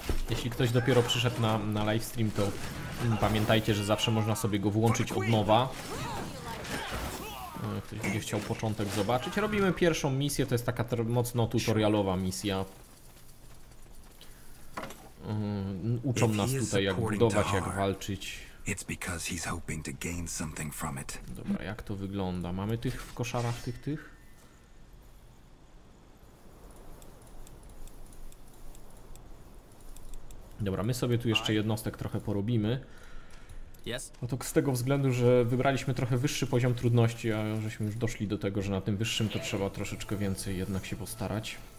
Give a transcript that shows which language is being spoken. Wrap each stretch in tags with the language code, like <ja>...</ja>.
<pl>Jeśli ktoś dopiero przyszedł na livestream, to pamiętajcie, że zawsze można sobie go włączyć od nowa. Ktoś będzie chciał początek zobaczyć. Robimy pierwszą misję, to jest taka mocno tutorialowa misja. Uczą nas tutaj, jak budować, jak walczyć.</pl> <en>It's because he's hoping to gain something from it.</en> <pl>Dobra, jak to wygląda? Mamy tych w koszarach tych? Dobra, my sobie tu jeszcze jednostek trochę porobimy.</pl> <en>Yes.</en> <pl>No to z tego względu, że wybraliśmy trochę wyższy poziom trudności, a żeśmy już doszli do tego, że na tym wyższym to trzeba troszeczkę więcej jednak się postarać.</pl>